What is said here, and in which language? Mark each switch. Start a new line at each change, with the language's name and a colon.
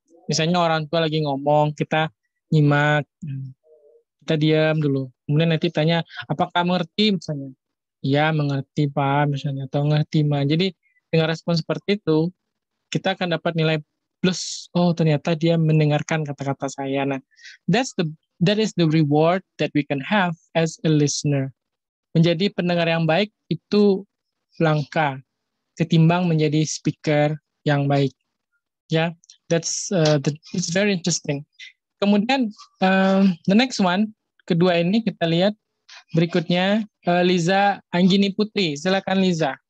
Indonesian: Misalnya orang tua lagi ngomong, kita nyimak, kita diam dulu. Kemudian nanti tanya, apakah mengerti misalnya? Ya, mengerti Pak misalnya, atau mengerti Ma. Jadi dengan respon seperti itu, kita akan dapat nilai plus. Oh, ternyata dia mendengarkan kata-kata saya.
English: Nah, that is the reward that we can have as a listener.
Indonesian: Menjadi pendengar yang baik itu langka ketimbang menjadi speaker yang baik. Ya,
English: it's very interesting.
Indonesian: Kemudian
English: the next one,
Indonesian: kedua ini kita lihat berikutnya Liza Anggini Putri. Silakan Liza.